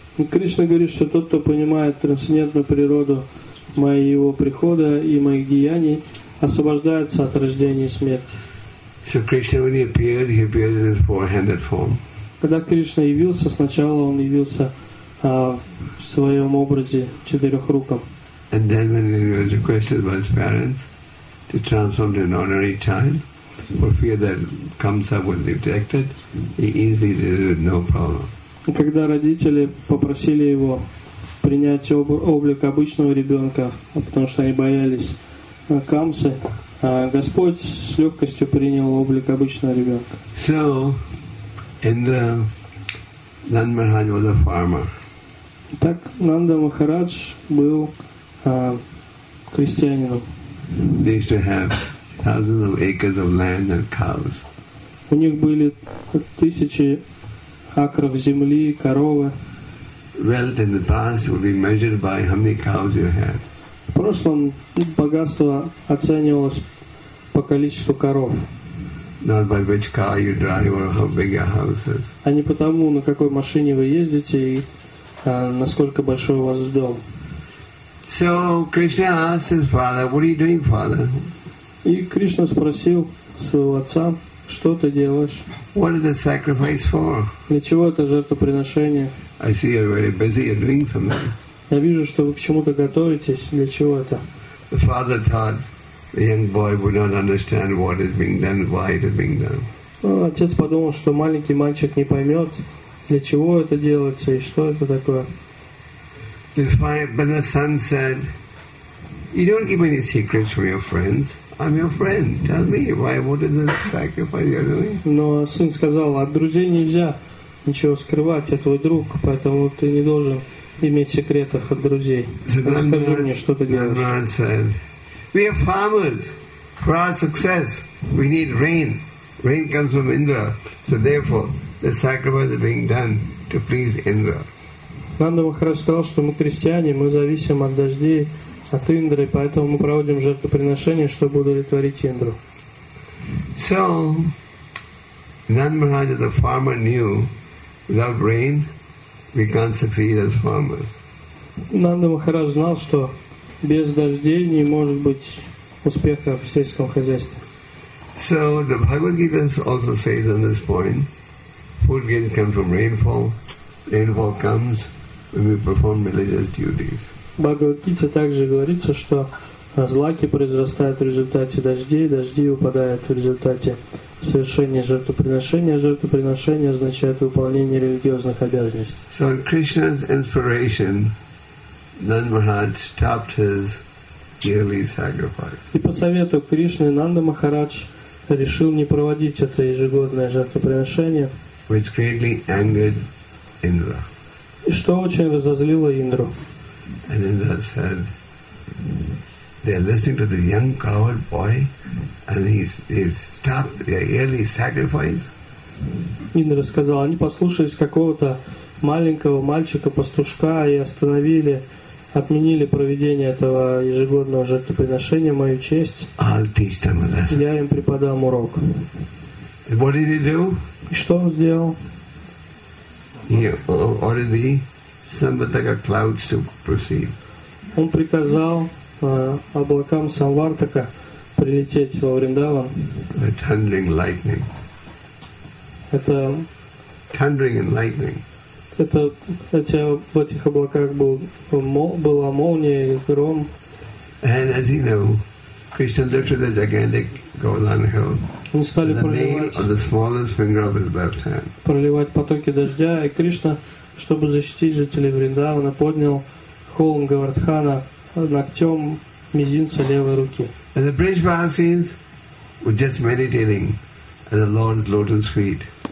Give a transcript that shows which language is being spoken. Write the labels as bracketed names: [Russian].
[Russian] Кришна говорит, что тот, кто понимает трансцендентную природу моего прихода и моих деяний, освобождается от рождения и смерти. [English] So Krishna, when he appeared in his four-handed form. [Russian] Когда Кришна явился, сначала он явился в своем образе четырехруком. [English] And then when he was requested by his parents to transform to an ordinary child, for fear that Kamsa would be rejected, he easily did it with no problem. [Russian] Когда родители попросили его принять облик обычного ребенка, потому что они боялись Камсы, Господь с легкостью принял облик обычного ребенка. [English] So, Indra, Nand Maharaj was a farmer. [Russian] Так, Нанда Махарадж был крестьянином. [English] They used to have thousands of acres of land and cows. [Russian] У них были тысячи акров земли, коровы. [English] Wealth in the past would be measured by how many cows you had. [Russian] В прошлом богатство оценивалось по количеству коров. [English] Not by which car you drive or how big your house is. [Russian] А не потому, на какой машине вы ездите и насколько большой у вас дом. [English] So Krishna asked his father, "What are you doing, father?" [Russian] И Кришна спросил своего отца, что ты делаешь? [English] What is the sacrifice for? [Russian] Для чего это жертвоприношение? [English] I see you're very busy, you're doing something. [Russian] Я вижу, что вы к чему-то готовитесь. Для чего это? [English] The father thought the young boy would not understand what is being done, why it is being done. [Russian] Отец подумал, что маленький мальчик не поймет, для чего это делается и что это такое. [English] But the son said, "You don't keep any secrets from your friends. I'm your friend. Tell me why. What is the sacrifice you're doing?" [Russian] Но сын сказал: "От друзей нельзя ничего скрывать. Я твой друг, поэтому ты не должен иметь секретов от друзей. Расскажи мне, что ты делаешь." [English] Nand said, "We are farmers. For our success, we need rain. Rain comes from Indra. So therefore, the sacrifice is being done to please Indra." [Russian] Нанда Махарадж сказал, что мы крестьяне, мы зависим от дождей, от Индры, поэтому мы проводим жертвоприношение, чтобы удовлетворить Индру. [English] So, Nand Maharaj, the farmer, knew without rain we can't succeed as farmers. [Russian] Нанда Махарадж знал, что без дождей не может быть успеха в сельском хозяйстве. [English] So, the Bhagavad Gita also says on this point, food gains come from rainfall. Rainfall comes when we perform religious duties. [Russian] В Бхагавад-гите также говорится, что злаки произрастают в результате дождей, дожди выпадают в результате совершения жертвоприношения, а жертвоприношение означает выполнение религиозных обязанностей. [English] So on Krishna's inspiration, Nand Maharaj stopped his yearly sacrifice. [Russian] И по совету Кришны Нанда Махарадж решил не проводить это ежегодное жертвоприношение, [English] which greatly angered Indra. [Russian] И что очень разозлило Индру. [English] And Indra said, "They are listening to the young coward boy, and he's stopped their yearly sacrifice." [Russian] Indra сказал, они послушались какого-то маленького мальчика пастушка и остановили отменили проведение этого ежегодного жертвоприношения в мою честь. Я им преподам урок. [English] What did he do? [Russian] И что он сделал? [English] He ordered the Samvartaka clouds to proceed. [Russian] Он приказал облакам Самвартака прилететь во Вриндаван. [English] A thundering lightning. [Russian] Это [English] thundering and lightning. [Russian] Это хотя в этих облаках была молния и гром. [English] And as you know, Krishna looked at the gigantic Govardhan hill. [Russian] Он стал проливать потоки дождя, и Кришна, чтобы защитить жителей Вриндавана, поднял холм Говардхана ногтем мизинца левой руки. [English] And the Бриджбасинс were just meditating at the Lord's lotus feet.